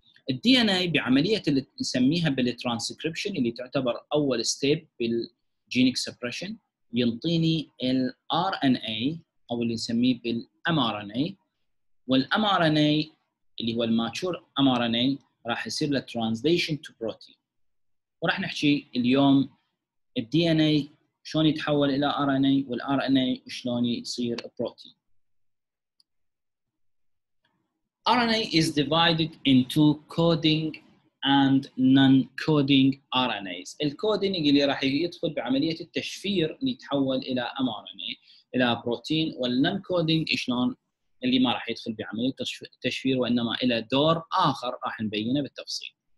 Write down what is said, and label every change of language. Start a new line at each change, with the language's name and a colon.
Arabic: الدي ان اي بعمليه اللي نسميها بالترانسكريبشن اللي تعتبر اول ستيب بالجينيك سبريشن، ينطيني الار ان اي او اللي نسميه بالام ار ان اي، والام ار ان اي اللي هو الماتشور ام ار ان اي راح يصير له ترانزليشن تو بروتين. وراح نحكي اليوم الدي ان اي شلون يتحول الى ار ان اي والار ان اي شلون يصير بروتين.
English: RNA is divided into coding and non-coding RNAs.
Arabic: الكودينج اللي راح يدخل بعملية التشفير اللي يتحول إلى mRNA إلى بروتين، والنون-كودينج إشلون اللي ما راح يدخل بعملية تشفير وإنما إلى دور آخر راح نبينه بالتفصيل.